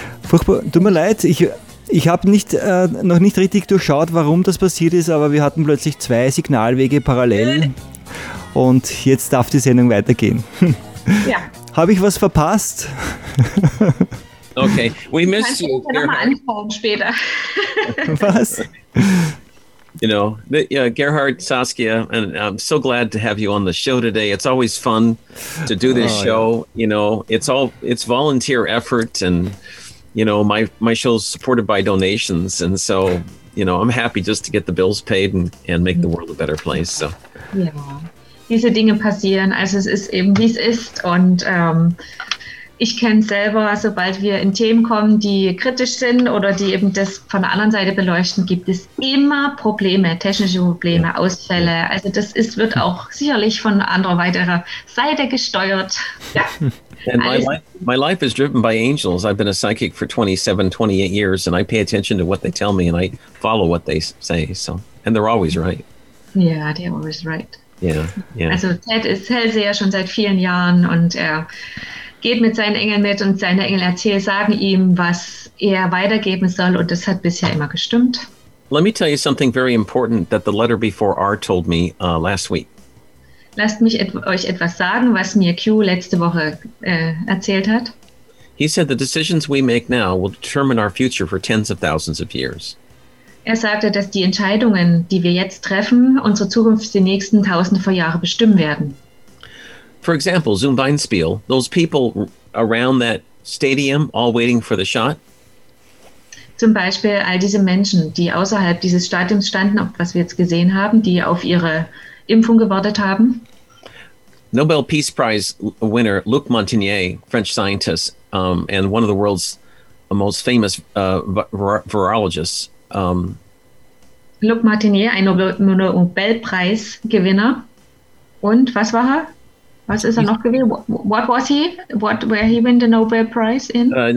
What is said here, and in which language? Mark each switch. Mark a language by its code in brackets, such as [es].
[de] Furchtbar, tut mir leid, Ich habe noch nicht richtig durchschaut, warum das passiert ist, aber wir hatten plötzlich zwei Signalwege parallel und jetzt darf die Sendung weitergehen. Ja. Habe ich was verpasst? [en] Okay, we miss you. [de] Kannst du dich nochmal anschauen später. Was? [en] You know, Gerhard, Saskia, and I'm so glad to have you on the show today. It's always fun to do this show. Yeah. You know, it's volunteer effort and... You know, my show's supported by donations, and so, you know, I'm happy just to get the bills paid and make the world a better place. So, [de] ja, diese Dinge passieren, also es ist eben, wie es ist, und ich kenne es selber, sobald wir in Themen kommen, die kritisch sind oder die eben das von der anderen Seite beleuchten, gibt es immer Probleme, technische Probleme, ja. Ausfälle, also das ist, wird auch sicherlich von anderer weiterer Seite gesteuert, ja. [en] And my life is driven by angels. I've been a psychic for 27, 28 years, and I pay attention to what they tell me, and I follow what they say. So, and they're always right. Yeah, they're always right. Yeah, yeah. [de] Also Ted ist Hellseher schon seit vielen Jahren, und er geht mit seinen Engeln mit, und seine Engel erzählen, sagen ihm, was er weitergeben soll, und das hat bisher immer gestimmt. [en] Let me tell you something very important that the letter before R told me last week. [de] Lasst mich euch etwas sagen, was mir Q letzte Woche erzählt hat. [en] He said the decisions we make now will determine our future for tens of thousands of years. [de] Er sagte, dass die Entscheidungen, die wir jetzt treffen, unsere Zukunft die nächsten tausende von Jahren bestimmen werden. [en] For example, [de] Zum Beispiel, [en] those people around that stadium all waiting for the shot. [de] Zum Beispiel all diese Menschen, die außerhalb dieses Stadiums standen, was wir jetzt gesehen haben, die auf ihre Impfung gewartet haben. [en] Nobel Peace Prize winner Luc Montagnier, French scientist, and one of the world's most famous virologists. [de] Luc Montagnier, ein Nobelpreisgewinner. Und was war er? Was ist er noch gewesen? [en] What was he? What where he win the Nobel Prize in?